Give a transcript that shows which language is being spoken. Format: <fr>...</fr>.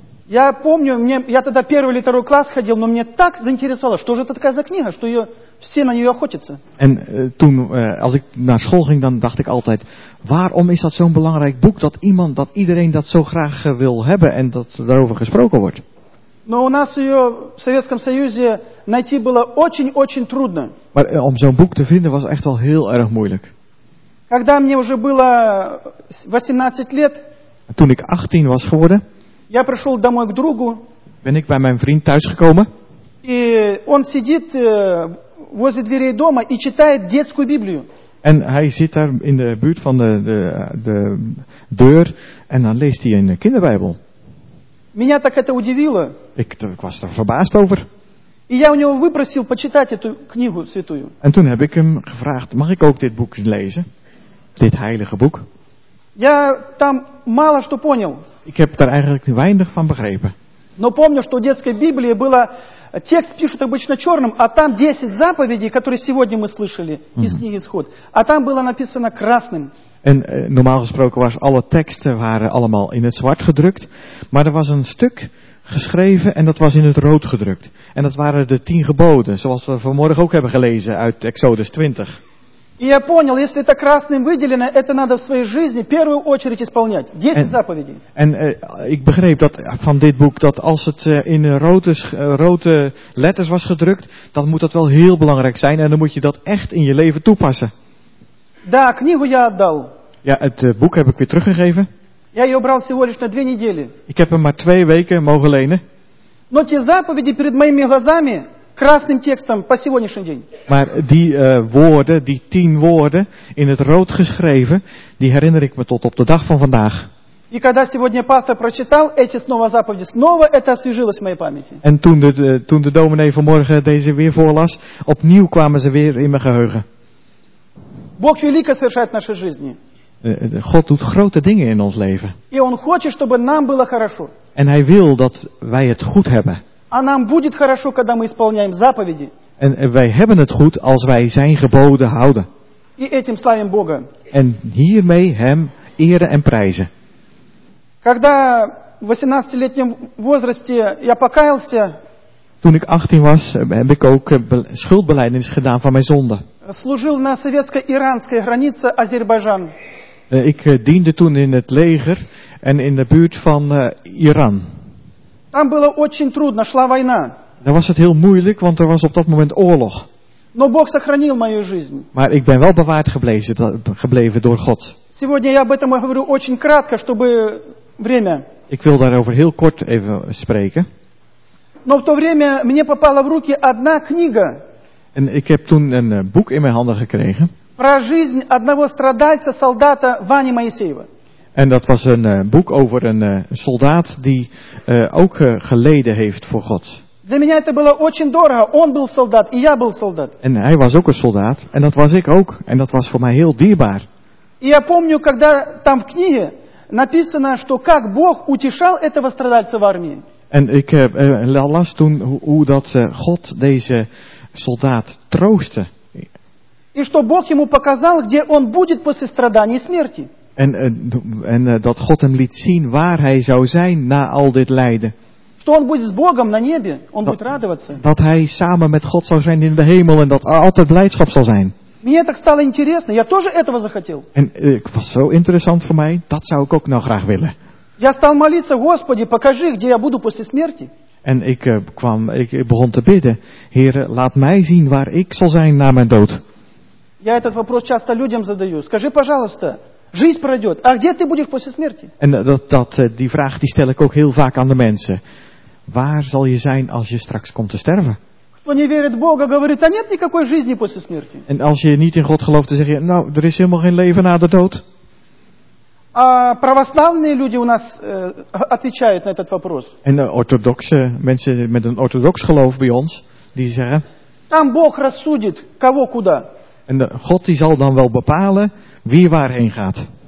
<ru>Я помню, я тогда первый или второй класс ходил, но мне так заинтересовало, что же это такая за книга, что ее все на нее охотятся.</ru> <nl>En toen, als ik naar school ging, dan dacht ik altijd: waarom is dat zo'n belangrijk boek dat iedereen dat zo graag wil hebben en dat daarover gesproken wordt?</nl> <ru>Но у нас ее в Советском Союзе найти было очень-очень трудно.</ru> <nl>Maar om zo'n boek te vinden was echt wel heel erg moeilijk.</nl> <ru>Когда мне уже было 18 лет,</ru> <nl>toen ik 18 was geworden,</nl> <ru>я пришел домой к другу,</ru> <nl>ben ik bij mijn vriend thuis gekomen.</nl> <ru>И он сидит возле дверей дома и читает детскую Библию.</ru> <nl>En hij zit daar in de buurt van de deur en dan leest hij een kinderbijbel.</nl> <ru>Меня так это удивило.</ru> <nl>Ik was er verbaasd over.</nl> <ru>И я у него выпросил почитать эту книгу святую.</ru> <nl>En toen heb ik hem gevraagd: mag ik ook dit boek lezen? Dit heilige boek?</nl> <ru>Я там мало что понял.</ru> <nl>Ik heb daar eigenlijk weinig van begrepen.</nl> <ru>Но помню, что в детской Библии было текст пишут обычно черным, а там 10 заповедей, которые сегодня мы слышали из книги Исход, а там было написано красным.</ru> <nl>En normaal gesproken waren alle teksten allemaal in het zwart gedrukt. Maar er was een stuk geschreven en dat was in het rood gedrukt. En dat waren de 10 geboden, zoals we vanmorgen ook hebben gelezen uit Exodus 20.</nl> <ru>Я понял, если это красным выделено, это надо в своей жизни в первую очередь исполнять. 10 заповедей.</ru> <nl>En ik begreep dat van dit boek dat als het in rode letters was gedrukt, dan moet dat wel heel belangrijk zijn en dan moet je dat echt in je leven toepassen.</nl> <ru>Да, книгу я отдал.</ru> <nl>Ja, het boek heb ik weer teruggegeven.</nl> <ru>Я ее брал всего лишь на 2 недели.</ru> <nl>Ik heb hem maar 2 weken mogen lenen.</nl> <ru>Но те заповеди перед моими глазами красным текстом по сегодняшний день.</ru> <nl>Maar die woorden, die 10 woorden in het rood geschreven, die herinner ik me tot op de dag van vandaag.</nl> <ru>И когда сегодня пастор прочитал эти снова заповеди, снова это освежилось в моей памяти.</ru> <nl>En toen de dominee vanmorgen deze weer voorlas, opnieuw kwamen ze weer in mijn geheugen.</nl> <ru>Бог велико совершает наши жизни.</ru> <nl>God doet grote dingen in ons leven.</nl> <ru>И он хочет, чтобы нам было хорошо.</ru> <nl>En hij wil dat wij het goed hebben.</nl> <ru>А нам будет хорошо, когда мы исполняем заповеди.</ru> <nl>En wij hebben het goed als wij zijn geboden houden.</nl> <ru>И этим славим Бога.</ru> <nl>En hiermee hem eren en prijzen.</nl> <ru>Когда в 18-летнем возрасте я покаялся.</ru> <nl>Toen ik 18 was, heb ik ook schuldbelijdenis gedaan van mijn zonde.</nl> <ru>Служил на советско-иранской границе Азербайджан.</ru> <nl>Ik diende toen in het leger en in de buurt van Iran.</nl> <ru>Там было очень трудно, шла война.</ru> <nl>Daar was het heel moeilijk, want er was op dat moment oorlog.</nl> <ru>Но Бог сохранил мою жизнь.</ru> <nl>Maar ik ben wel bewaard gebleven door God.</nl> <ru>Сегодня я об этом говорю очень кратко, чтобы время.</ru> <nl>Ik wil daarover heel kort even spreken.</nl> <ru>Но в то время мне попала в руки одна книга.</ru> <nl>En ik heb toen een boek in mijn handen gekregen.</nl> <ru>Про жизнь одного страдальца солдата Вани Моисеева.</ru> <nl>En dat was een boek over een soldaat die ook geleden heeft voor God.</nl> <ru>Для меня это было очень дорого. Он был солдат, и я был солдат.</ru> <nl>En hij was ook een soldaat, en dat was ik ook, en dat was voor mij heel dierbaar.</nl> <ru>И я помню, когда там в книге написано, что как Бог утешал этого страдальца в армии.</ru> <nl>En ik las toen hoe dat God deze soldaat troostte.</nl> <ru>И что Бог ему показал, где он будет после страданий и смерти.</ru> <nl>En dat God hem liet zien waar hij zou zijn na al dit lijden.</nl> <ru>Что он будет с Богом на небе, он будет радоваться.</ru> <nl>Dat hij samen met God zou zijn in de hemel en dat altijd blijdschap zal zijn.</nl> <ru>Мне так стало интересно, я тоже этого захотел.</ru> <nl>En het was zo interessant voor mij, dat zou ik ook nou graag willen.</nl> <ru>Я стал молиться, Господи, покажи, где я буду после смерти.</ru> <nl>En ik begon te bidden, Heere, laat mij zien waar ik zal zijn na mijn dood.</nl> <ru>Я этот вопрос часто людям задаю. Скажи, пожалуйста, Жизнь пройдет. А где ты будешь после смерти?</ru> <nl>En dat die vraag die stel ik ook heel vaak aan de mensen. Waar zal je zijn als je straks komt te sterven?</nl> <ru>Кто не верит в Бога, говорит, а нет никакой жизни после смерти.</ru> <nl>En als je niet in God gelooft, dan zeg je, nou, er is helemaal geen leven na de dood.</nl> <ru>А православные люди у нас отвечают на этот вопрос.</ru> <nl>En orthodoxe mensen met een orthodox geloof bij ons, die zeggen.</nl> <ru>Там Бог рассудит, кого куда.</ru> <nl>En God die zal dan wel bepalen wie waarheen gaat.</nl>